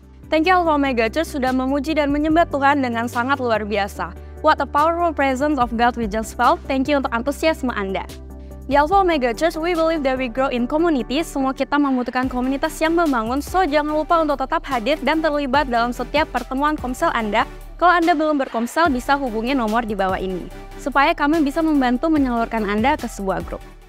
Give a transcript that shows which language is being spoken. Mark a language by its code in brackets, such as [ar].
[en] Thank you [id] Alpha Omega Church sudah memuji dan menyembah Tuhan dengan sangat luar biasa. [en] What a powerful presence of God we just felt. Thank you [id] untuk antusiasme Anda. Di [en] Alpha Omega Church, we believe that we grow in community. [id] Semua kita membutuhkan komunitas yang membangun. So, jangan lupa untuk tetap hadir dan terlibat dalam setiap pertemuan komsel Anda. Kalau Anda belum berkomsel, bisa hubungi nomor di bawah ini. Supaya kami bisa membantu menyalurkan Anda ke sebuah grup.